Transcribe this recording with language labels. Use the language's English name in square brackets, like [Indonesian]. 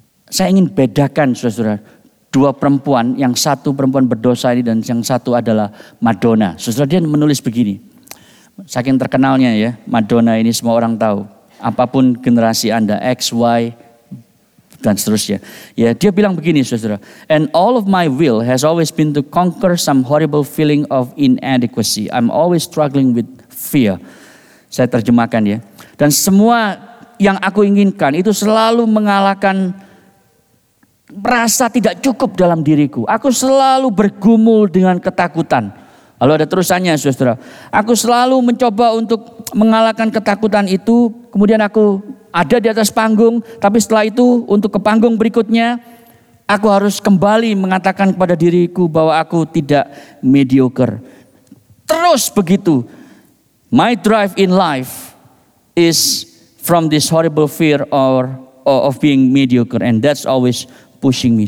[Indonesian] Saya ingin bedakan, saudara, dua perempuan, yang satu perempuan berdosa ini dan yang satu adalah Madonna. Saudara, dia menulis begini, saking terkenalnya ya, Madonna ini semua orang tahu. Apapun generasi Anda, X, Y, dan seterusnya. Ya, dia bilang begini, saudara, [English] and all of my will has always been to conquer some horrible feeling of inadequacy. I'm always struggling with fear. [Indonesian] Saya terjemahkan ya. Dan semua yang aku inginkan itu selalu mengalahkan merasa tidak cukup dalam diriku. Aku selalu bergumul dengan ketakutan. Lalu ada terusannya, saudara. Aku selalu mencoba untuk mengalahkan ketakutan itu. Kemudian aku ada di atas panggung. Tapi setelah itu untuk ke panggung berikutnya, aku harus kembali mengatakan kepada diriku bahwa aku tidak mediocre. Terus begitu. [English] My drive in life is from this horrible fear of being mediocre. And that's always pushing me.